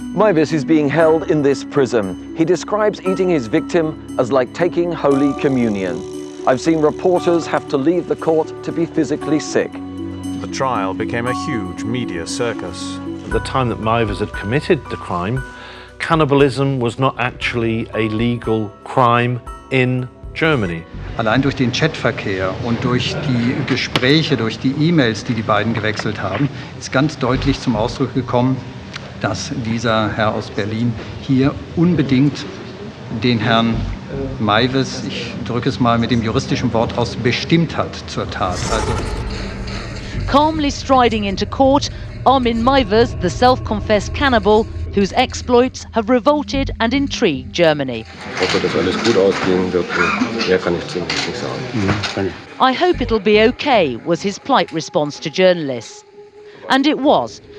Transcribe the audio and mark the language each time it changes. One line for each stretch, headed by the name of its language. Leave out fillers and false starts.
English: Meiwes is being held in this prison. He describes eating his victim as like taking Holy Communion. I've seen reporters have to leave the court to be physically sick. The trial became a huge media circus. At the time that Meiwes had committed the crime, cannibalism was not actually a legal crime in Germany.
German: Allein durch den Chatverkehr und durch die Gespräche, durch die E-Mails, die beiden gewechselt haben, ist ganz deutlich zum Ausdruck gekommen, dass dieser Herr aus Berlin hier unbedingt den Herrn Meiwes, ich drücke es mal mit dem juristischen Wort aus, bestimmt hat zur Tat.
English: Also calmly striding into court, Armin Meiwes, the self-confessed cannibal, whose exploits have revolted and intrigued Germany.
German: Ich hoffe, dass alles gut ausgehen wird. Mehr kann ich ziemlich nicht sagen.
English: I hope it'll be okay, was his polite response to journalists. And it was.